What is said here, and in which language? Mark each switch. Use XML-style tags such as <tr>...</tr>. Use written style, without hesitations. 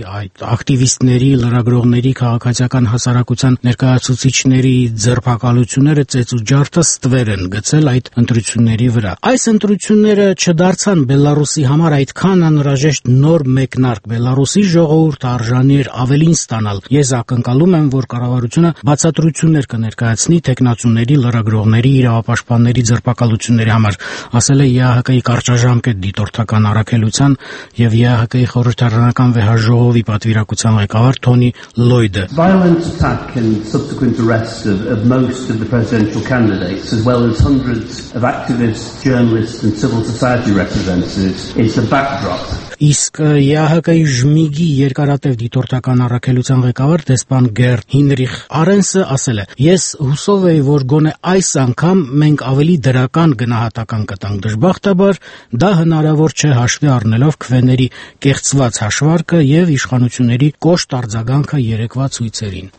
<hy>այդ ակտիվիստների, լրագրողների, քաղաքացիական հասարակության ներկայացուցիչների ձերբակալությունները ծեծուջարդը ստվեր են գցել այդ ընտրությունների վրա։ Այս ընտրությունները չդարձան Բելարուսի համար այդքան անհրաժեշտ նոր մեկնարկ, Բելարուսի ժողովուրդ արժանիեր ավելին ստանալ։ Ես ակնկալում եմ, որ կառավարությունը բացատրություններ կներկայացնի թեկնածուների, լրագրողների, իրավապաշտպանների ձերբակալությունների համար, ասել է ԵԱՀԿ-ի կարճաժամկետ դիտորդական առաքելության եւ ԵԱՀԿ-ի խորհրդարանական վեհաժողովի պատվիրակության ղեկավար Թոնի Լոյդը։</hy> <en>Subsequent arrests of most of the presidential candidates, as well as hundreds of activists, journalists, and civil society representatives, is the backdrop.</en> <hy>Իսկ ԵԱՀԿ-ի ԺՄԻԳ-ի երկարատև դիտորդական առաքելության ղեկավար դեսպան Գերտ Հինրիխ Արենսը ասել է. «Ես հուսով էի, որ գոնե այս անգամ մենք ավելի դրական գնահատական կտանք, դժբախտաբար դա հնարավոր չէ, հաշվի առնելով քվեների կեղծված հաշվարկը եւ իշխանությունների կոշտ արձագանքը երեկվա ցույցերին»։</hy>